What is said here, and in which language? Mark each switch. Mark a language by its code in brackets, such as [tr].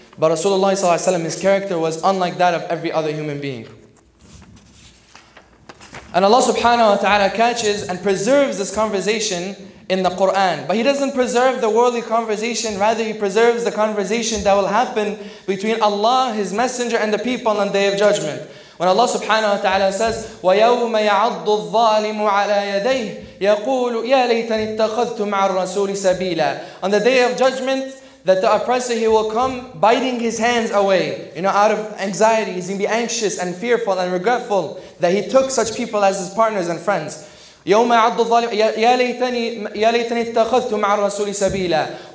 [en] But Rasulullah sallallahu alayhi wa sallam, his character was unlike that of every other human being. And Allah subhanahu wa ta'ala catches and preserves this conversation in the Qur'an. But He doesn't preserve the worldly conversation, rather He preserves the conversation that will happen between Allah, His Messenger, and the people on the Day of Judgment. When Allah subhanahu wa ta'ala says, [ar] وَيَوْمَ يَعَضُّ الظَّالِمُ عَلَى يَدَيْهِ يَقُولُ يَا لَيْتَنِ اتَّخَذْتُ مَعَ الرَّسُولِ سَبِيلًا. [en] On the Day of Judgment, that the oppressor, he will come biting his hands away, you know, out of anxiety. He's going to be anxious and fearful and regretful that he took such people as his partners and friends. [ar] يَوْمَ عَضُّ الظَّالِمُ يَا لَيْتَنِي اتَّخَذْتُ مَعَ الرَّسُولِ سَبِيلًا.